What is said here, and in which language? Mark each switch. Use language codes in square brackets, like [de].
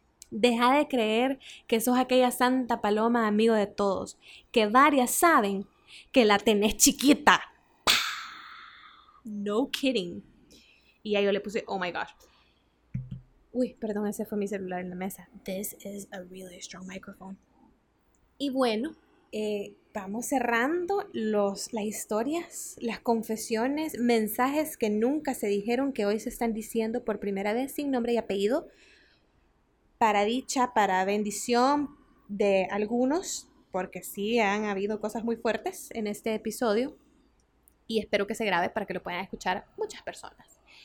[es] Deja de creer que sos aquella santa paloma amigo de todos, que varias saben que la tenés chiquita. [en] No kidding. [es] Y ahí yo le puse, [en] oh my gosh. [es] Uy, perdón, ese fue mi celular en la mesa. [en] This is a really strong microphone. [es] Y bueno, vamos cerrando las historias, las confesiones, mensajes que nunca se dijeron que hoy se están diciendo por primera vez sin nombre y apellido, para dicha, para bendición de algunos, porque sí han habido cosas muy fuertes en este episodio y espero que se grabe para que lo puedan escuchar muchas personas.